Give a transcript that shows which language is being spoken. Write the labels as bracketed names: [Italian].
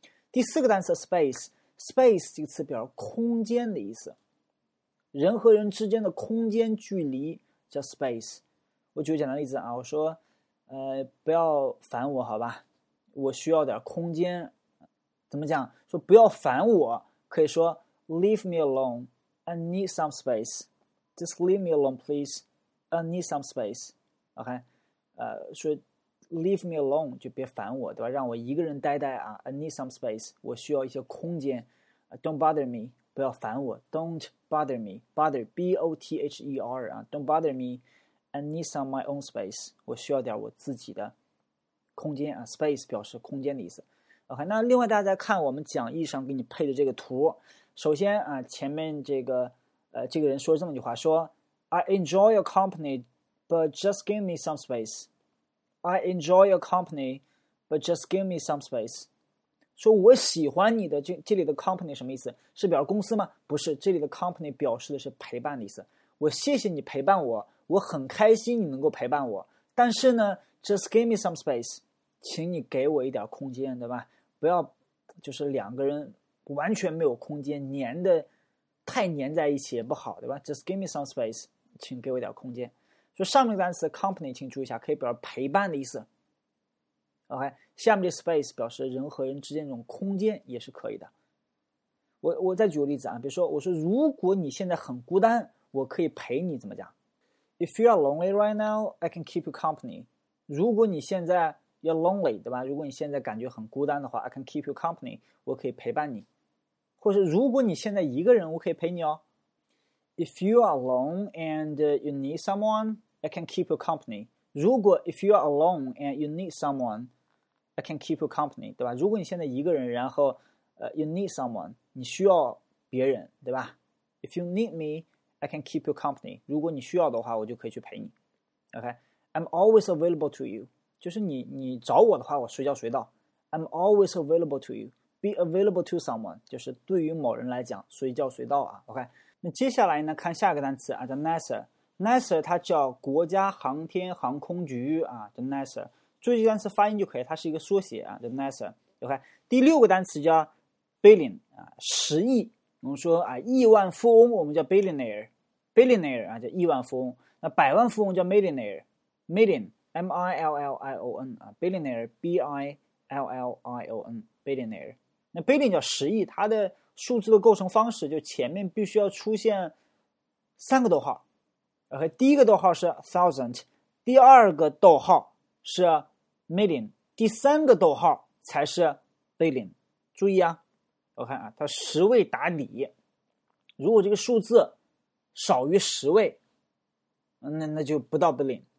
[Chinese] 第四个单词 space， space 这个词表示空间的意思，人和人之间的空间距离叫 space。我举个简单例子啊，我说，不要烦我，好吧，我需要点空间。怎么讲？说不要烦我，可以说 [English] leave me alone， I need some space， just leave me alone please， I need some space， OK， 说 leave me alone [Chinese] 就别烦我，对吧？让我一个人呆呆啊， [English] I need some space， [Chinese] 我需要一些空间， [English] don't bother me， [Chinese] 不要烦我， [English] don't bother me， bother b o t h e r 啊， don't bother me，I need some my own space， [Chinese] 我需要点我自己的空间啊。 Space 表示空间的意思。OK， 那另外大家看我们讲义上给你配的这个图，首先啊，前面这个这个人说这么一句话，说 [English] I enjoy your company， but just give me some space。 I enjoy your company， but just give me some space。 [Chinese] 说我喜欢你的这里的 company 什么意思？是表示公司吗？不是，这里的 company 表示的是陪伴的意思。我谢谢你陪伴我。我很开心你能够陪伴我，但是呢 ， [English] just give me some space， [Chinese] 请你给我一点空间，对吧？不要就是两个人完全没有空间，黏的太黏在一起也不好，对吧 ？ [English] Just give me some space， [Chinese] 请给我一点空间。所以上面的单词 company， 请注意一下，可以表示陪伴的意思。OK， 下面的 space 表示人和人之间这种空间也是可以的。我再举个例子啊，比如说我说如果你现在很孤单，我可以陪你，怎么讲？ [English] If you are lonely right now, I can keep you company. [Chinese] 如果你现在 [English] you're lonely, [Chinese] 对吧？如果你现在感觉很孤单的话 ， [English] I can keep you company. [Chinese] 我可以陪伴你，或者如果你现在一个人，我可以陪你哦。 [English] If you are alone and you need someone, I can keep you company. 如果 if you are alone and you need someone, I can keep you company, [Chinese] 对吧？如果你现在一个人，然后 [English] you need someone, [Chinese] 你需要别人，对吧 [English] ？If you need me. I can keep you company. [Chinese] 如果你需要的话，我就可以去陪你。 [English] OK, I'm always available to you. [Chinese] 就是你找我的话，我随叫随到。 [English] I'm always available to you. Be available to someone. [Chinese] 就是对于某人来讲，随叫随到啊。 OK, 那接下来呢，看下一个单词啊，叫 NASA。NASA 它叫国家航天航空局啊，叫 NASA。注意这个单词发音就可以，它是一个缩写啊，叫 NASA。OK, 第六个单词叫 billion 啊，十亿。我们说啊，亿万富翁我们叫 billionaire， billionaire 啊叫亿万富翁，那百万富翁叫 millionaire， million m i l l i o n 啊， billionaire b i l l i o n， billionaire。那 billion 叫十亿，它的数字的构成方式就前面必须要出现三个逗号，然后第一个逗号是 thousand， 第二个逗号是 million， 第三个逗号才是 billion。注意啊，我看啊，它十位打底，如果这个数字少于十位，那就不到 billion。